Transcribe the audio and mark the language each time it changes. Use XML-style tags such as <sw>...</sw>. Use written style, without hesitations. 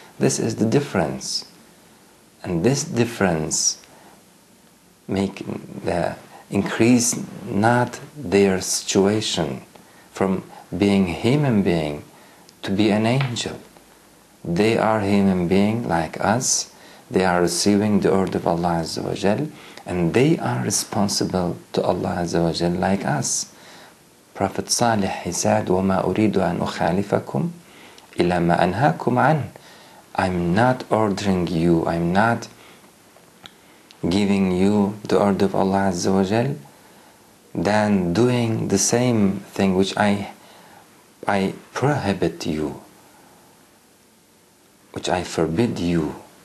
<en>This is the difference. And this difference make the increase not their situation from being a human being to be an angel. They are human being like us. They are receiving the order of Allah Azza wa Jal, and they are responsible to Allah Azza wa Jal like us. Prophet Salih, he said,</en> <ar>وَمَا أُرِيدُ أَنْ أُخَالِفَكُمْ إِلَّا مَا أَنْهَاكُمْ عَنْ.</ar> <en>I'm not ordering you, I'm not giving you the order of Allah Azza wa Jal, than doing the same thing which I prohibit you, which I forbid you.</en>